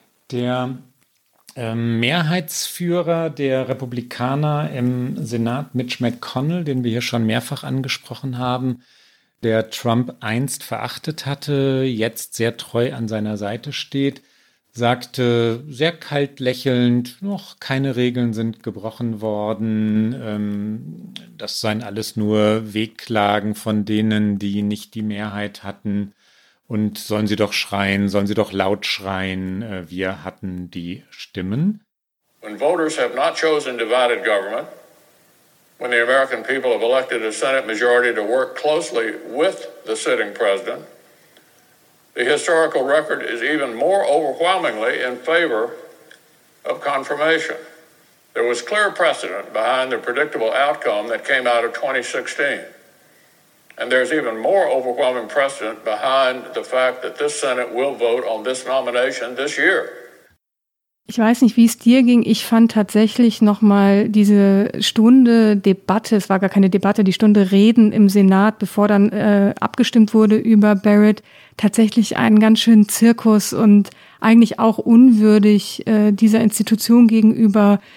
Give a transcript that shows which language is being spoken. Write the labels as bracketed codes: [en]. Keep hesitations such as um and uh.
[de] Der ähm, Mehrheitsführer der Republikaner im Senat, Mitch McConnell, den wir hier schon mehrfach angesprochen haben, der Trump einst verachtet hatte, jetzt sehr treu an seiner Seite steht, sagte sehr kalt lächelnd, noch keine Regeln sind gebrochen worden, das seien alles nur Wehklagen von denen, die nicht die Mehrheit hatten. Und sollen sie doch schreien, sollen sie doch laut schreien, wir hatten die Stimmen. [en] When voters have not chosen divided government, when the American people have elected a Senate majority to work closely with the sitting president, The historical record is even more overwhelmingly in favor of confirmation. There was clear precedent behind the predictable outcome that came out of 2016. And there's even more overwhelming precedent behind the fact that this Senate will vote on this nomination this year. [de] Ich weiß nicht, wie es dir ging. Ich fand tatsächlich nochmal diese Stunde Debatte, es war gar keine Debatte, die Stunde Reden im Senat, bevor dann äh, abgestimmt wurde über Barrett, tatsächlich einen ganz schönen Zirkus und eigentlich auch unwürdig äh, dieser Institution gegenüber.